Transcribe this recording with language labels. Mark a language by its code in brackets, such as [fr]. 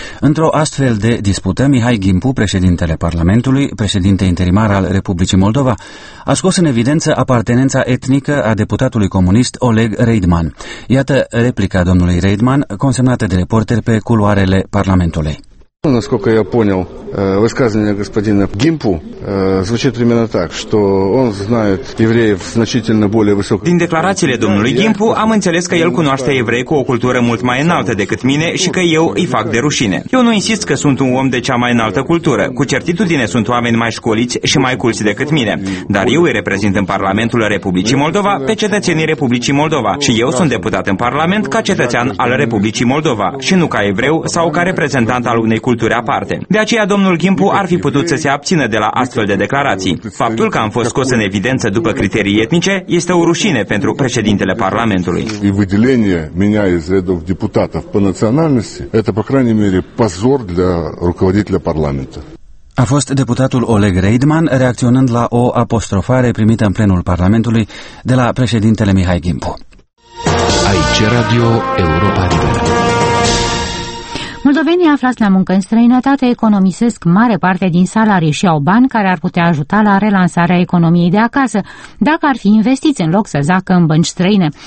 [ro] Într-o astfel de dispută, Mihai Ghimpu, președintele Parlamentului, președinte interimar al Republicii Moldova, a scos în evidență apartenența etnică a deputatului comunist Oleg Reidman. Iată replica domnului Reidman, consemnată de reporter pe culoarele Parlamentului. [ru] Насколько я понял, высказывание господина Гимпу звучит именно так, что он знает евреев значительно более высокого. [ro] Din declarațiile domnului Гимпу am înțeles că el cunoaște evrei cu o cultură mult mai înaltă decât mine și că eu îi fac de rușine. Eu nu insist că sunt un om de cea mai înaltă cultură. Cu certitudine sunt oameni mai școliți și mai culți decât mine, dar eu îi reprezint în Parlamentul Republicii Moldova pe cetățenii Republicii Moldova și eu sunt deputat în Parlament ca cetățean al Republicii Moldova și nu ca evreu sau ca reprezentant al unei culturi aparte. De aceea, domnul Ghimpu ar fi putut să se abțină de la astfel de declarații. Faptul că am fost scos în evidență după criterii etnice este o rușine pentru președintele Parlamentului. [ru] И выделение меня из рядов депутатов по национальности – это, по крайней мере, позор для руководителя парламента. [ro] A fost deputatul Oleg Reidman, reacționând la o apostrofare primită în plenul Parlamentului de la președintele Mihai Ghimpu. Aici Radio Europa Liberă. Moldovenii aflați la muncă în străinătate economisesc mare parte din salarii și au bani care ar putea ajuta la relansarea economiei de acasă, dacă ar fi investiți în loc să zacă în bănci străine.